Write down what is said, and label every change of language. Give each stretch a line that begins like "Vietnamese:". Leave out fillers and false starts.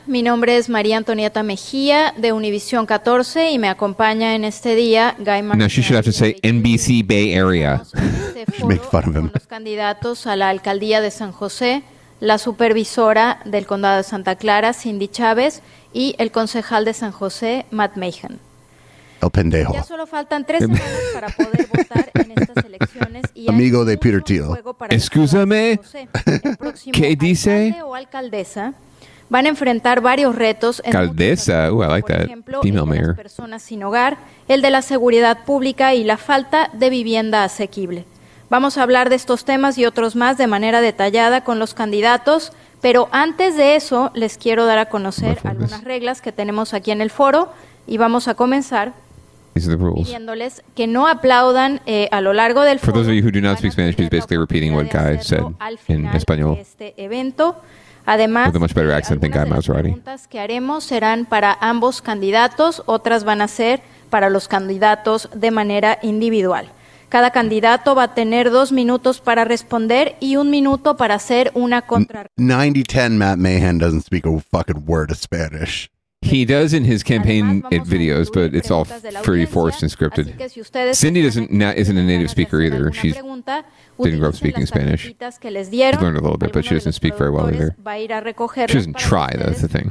Spanish: Mi nombre es María Antonieta Mejía de Univision 14 y me acompaña en este día Guy Martínez.
English: No, she should have to say NBC Bay Area. Make fun of him.
Spanish: Los candidatos a la alcaldía de San José, la supervisora del condado de Santa Clara, Cindy Chávez, y el concejal de San José, Matt Mahan. El pendejo. Ya solo faltan tres semanas para poder votar en estas elecciones. Y amigo de Peter Thiel. Excúsame. ¿Qué dice? O alcaldesa van a enfrentar varios retos.
English: Caldesa. Ooh, I like
Spanish: por
English: that.
Spanish: Ejemplo, female el de mayor. Las personas sin hogar, el de la seguridad pública y la falta de vivienda asequible. Vamos a hablar de estos temas y otros más de manera detallada con los candidatos. Pero antes de eso, les quiero dar a conocer algunas reglas que tenemos aquí en el foro. Y vamos a comenzar pidiéndoles que no aplaudan a lo largo del foro.
English: For those of you who do not speak Spanish, he's basically repeating what Guy said in español.
Spanish: Este evento. Además,
English: with a much better accent than Guy Maserati.
Spanish: Las preguntas que haremos serán para ambos candidatos, otras van a ser para los candidatos de manera individual. Cada candidato va a tener 2 minutos para responder y 1 minuto para hacer una contra.
English: 90-10 Matt Mahan doesn't speak a fucking word of Spanish. He does in his campaign videos, but it's all pretty forced and scripted. Cindy isn't a native speaker either. She didn't grow up speaking Spanish. She's learned a little bit, but she doesn't speak very well either. She doesn't try, though, that's the thing.